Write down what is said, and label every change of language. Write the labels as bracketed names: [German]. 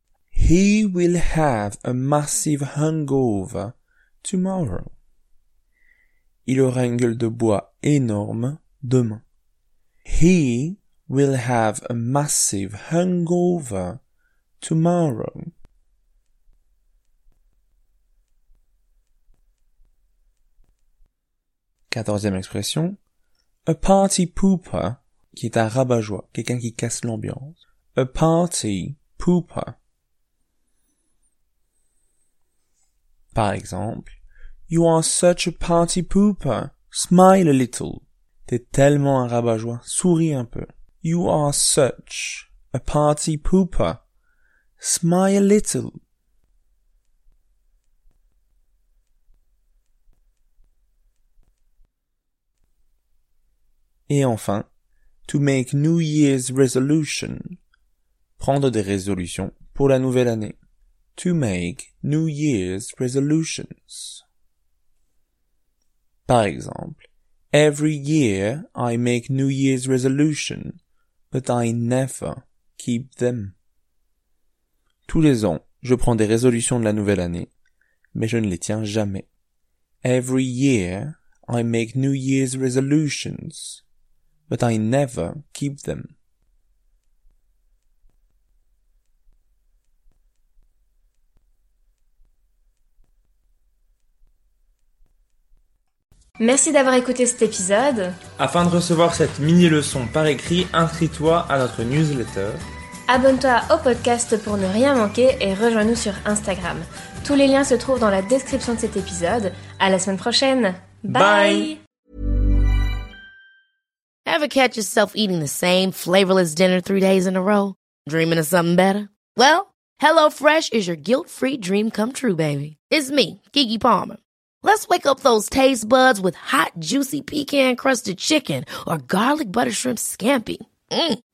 [English] He will have a massive hangover tomorrow. [French] Il aura une gueule de bois énorme demain. [English] He will have a massive hangover tomorrow. [French] Quatorzième expression. [English] A party pooper, [French] qui est un rabat-joie, quelqu'un qui casse l'ambiance. [English] A party pooper. [French] Par exemple, [English] you are such a party pooper. Smile a little. [French] T'es tellement un rabat-joie. Souris un peu. [English] You are such a party pooper. Smile a little. [French] Et enfin, [English] to make New Year's resolution. [French] Prendre des résolutions pour la nouvelle année. [English] To make New Year's resolutions. [French] Par exemple, [English] every year I make New Year's resolution, but I never keep them. [French] Tous les ans, je prends des résolutions de la nouvelle année, mais je ne les tiens jamais. [English] Every year, I make New Year's resolutions, but I never keep them. [French] Merci d'avoir écouté cet épisode. Afin de recevoir cette mini-leçon par écrit, inscris-toi à notre newsletter. Abonne-toi au podcast pour ne rien manquer et rejoins-nous sur Instagram. Tous les liens se trouvent dans la description de cet épisode. À la semaine prochaine. Bye! [English] Ever catch yourself eating the same flavorless dinner 3 days in a row? Dreaming of something better? Well, HelloFresh is your guilt-free dream come true, baby. It's me, Keke Palmer. Let's wake up those taste buds with hot, juicy pecan-crusted chicken or garlic butter shrimp scampi. Mm.